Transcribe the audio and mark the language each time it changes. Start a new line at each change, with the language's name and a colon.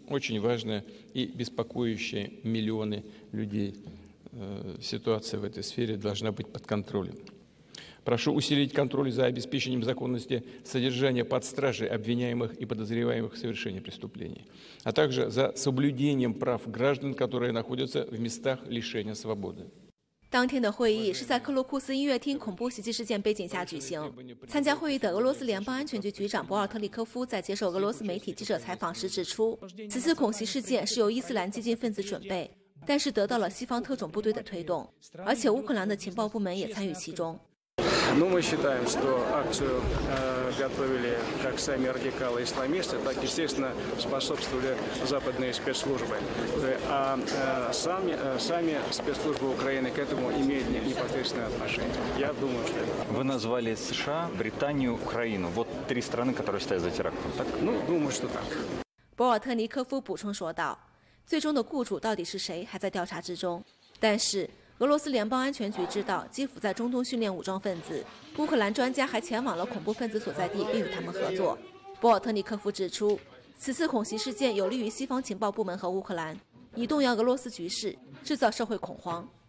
Russian: Очень важная и беспокоящая миллионы людей ситуация в этой сфере должна быть под контролем. Прошу усилить контроль за обеспечением законности содержания под стражей обвиняемых и подозреваемых в совершении преступлений, а также за соблюдением прав граждан, которые находятся в местах лишения свободы.
Chinese: 当天的会议是在克洛库斯音乐厅恐怖袭击事件背景下举行。参加会议的俄罗斯联邦安全局局长博尔特里科夫在接受俄罗斯媒体记者采访时指出，此次恐袭事件是由伊斯兰激进分子准备，但是得到了西方特种部队的推动，而且乌克兰的情报部门也参与其中。
Russian: Мы считаем, что акцию готовили как сами радикалы-исламисты, так, естественно, способствовали западные спецслужбы. А сами спецслужбы Украины к этому имеют непосредственное отношение. Я думаю, что... Вы назвали США, Британию, Украину. Вот три страны, которые стоят за терактом, так? Ну, думаю, что так.
Chinese: 博尔特尼科夫补充说道，最终的雇主到底是谁还在调查之中，但是俄罗斯联邦安全局知道基辅在中东训练武装分子，乌克兰专家还前往了恐怖分子所在地并与他们合作。博尔特尼科夫指出，此次恐袭事件有利于西方情报部门和乌克兰，以动摇俄罗斯局势，制造社会恐慌。